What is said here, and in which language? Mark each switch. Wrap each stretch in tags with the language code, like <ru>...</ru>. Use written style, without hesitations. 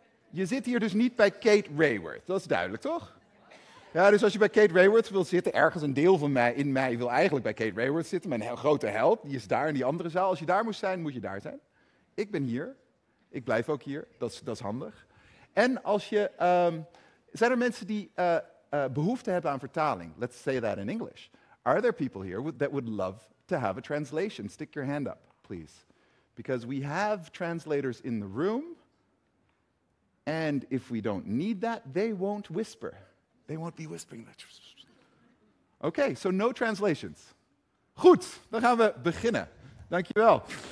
<nl>Je zit hier dus niet bij Kate Raworth. Dat is duidelijk, toch? Ja, dus als je bij Kate Raworth wil zitten, ergens een deel van mij in mij wil eigenlijk bij Kate Raworth zitten. Mijn grote held, die is daar in die andere zaal. Als je daar moest zijn, moet je daar zijn. Ik ben hier. Ik blijf ook hier. Dat is handig. En als je... zijn er mensen die behoefte hebben aan vertaling?</nl> <en>Let's say that in English. Are there people here that would love to have a translation? Stick your hand up, please. Because we have translators in the room. And if we don't need that, they won't whisper. They won't be whispering. Okay, so no translations.</en> <nl>Goed, dan gaan we beginnen. Dankjewel.</nl>